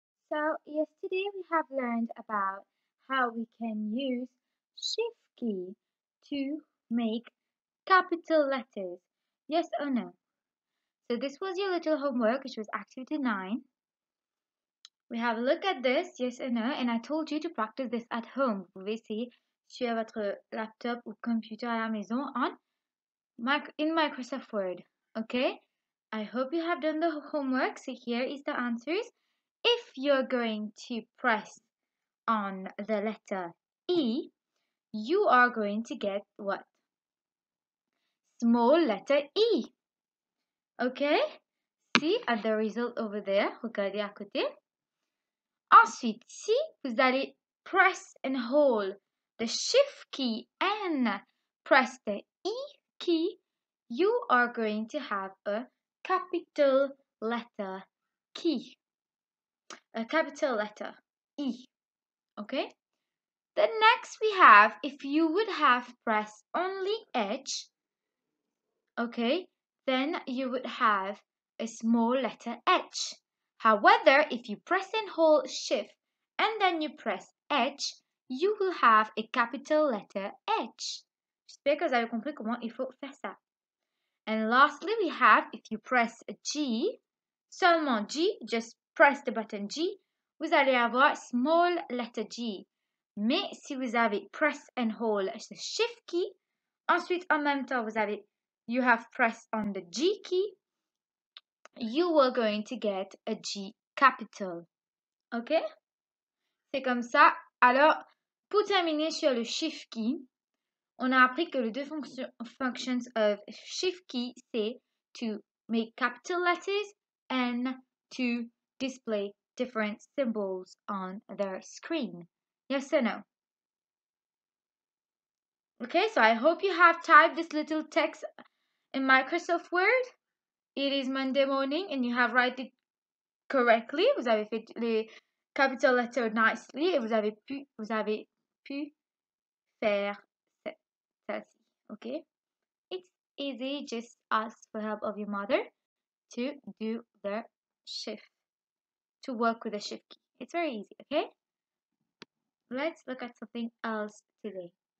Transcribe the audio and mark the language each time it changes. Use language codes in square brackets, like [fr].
[en] So yesterday we have learned about how we can use shift key to make capital letters. Yes or no? So this was your little homework, which was activity 9. We have a look at this, yes or no, and I told you to practice this at home. [fr] Vous pouvez essayer sur votre laptop ou computer à la maison in Microsoft Word, okay? [en] I hope you have done the homework. So here is the answers. If you're going to press on the letter E, you are going to get what? Small letter E. Okay, see at the result over there. [fr] Regardez à côté. Ensuite, si vous allez [en] press and hold the shift key and press the E key, you are going to have a capital letter key. A capital letter E. Okay. The next we have, if you would have pressed only H, okay, then you would have a small letter H. However, if you press and hold shift and then you press H, you will have a capital letter H. [fr] J'espère que vous avez compris comment il faut faire ça. [en] And lastly, we have, if you press G, [fr] seulement G, [en] just press the button G, [fr] vous allez avoir [en] small letter G. [fr] Mais si vous avez [en] press and hold the shift key, [fr] ensuite en même temps vous avez [en] you have pressed on the G key, you are going to get a G capital. OK? [fr] C'est comme ça. Alors, pour terminer sur le [en] shift key, [fr] on a appris que les deux [en] functions of shift key, [fr] c'est [en] to make capital letters and to display different symbols on their screen. Yes or no? OK, so I hope you have typed this little text in Microsoft Word. It is Monday morning and you have written it correctly. [fr] Vous avez fait les [en] capital letters nicely [fr] et vous avez pu faire ça. [en] Okay? It's easy, just ask for help of your mother to do the shift, to work with the shift key. It's very easy, okay? Let's look at something else today.